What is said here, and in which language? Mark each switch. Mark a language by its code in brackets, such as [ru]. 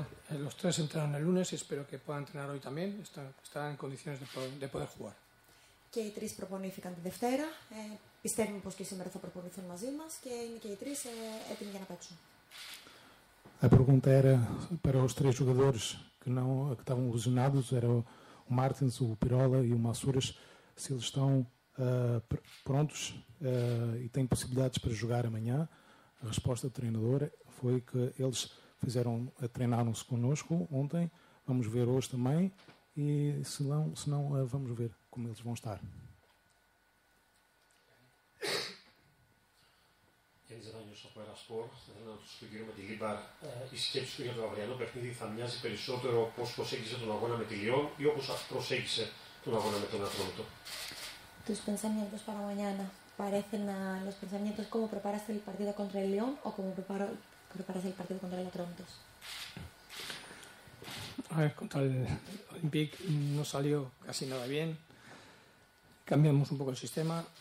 [es] Los tres entrenaron el lunes y espero que puedan entrenar hoy también. Están en condiciones de poder jugar. [el] Και οι τρεις προπονήθηκαν τη Δευτέρα. Πιστεύουμε πως και σήμερα θα προπονηθούν μαζί μας και είναι και οι τρεις έτοιμοι για να παίξουν. [pt] A pergunta era para os três jogadores que estavam lesionados, era o Martins, o Pirola e o Massouras, se eles estão prontos e têm possibilidades para jogar amanhã. A resposta do treinador foi que eles treinaram-se connosco ontem, vamos ver hoje também e se não vamos ver. Come eles vão estar. [el] Γιάννης Ράνιος από Ερασπόρ. Θα ήθελα να ρωτήσω τον κύριο Μεντιλίμπαρ, η σκέψη του για το αυριανό παιχνίδι θα μοιάζει περισσότερο πώς προσέγγισε τον αγώνα με τη Λιόν ή όπως προσέγγισε τον αγώνα με τον Ατρόμητο. [es] Tus pensamientos para mañana parecen a los pensamientos como preparaste el partido contra el Lyon o como preparaste el partido contra el Ατρόμητο. A ver, contra el Olympique no salió casi nada bien. Cambiamos un poco el sistema.